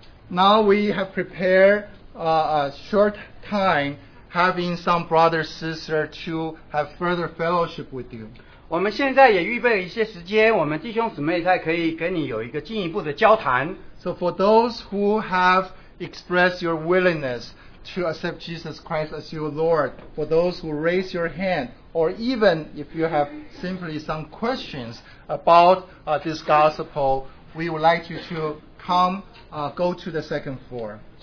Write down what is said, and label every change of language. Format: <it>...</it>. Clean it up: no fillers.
<en>Now we have prepared a short time having some brothers and sisters to have further fellowship with you.</en> <zh>我们现在也预备了一些时间，我们弟兄姊妹才可以跟你有一个进一步的交谈。</zh> <en>So for those who have expressed your willingness to accept Jesus Christ as your Lord, for those who raise your hand, or even if you have simply some questions about this gospel, we would like you to come, go to the second floor.</en>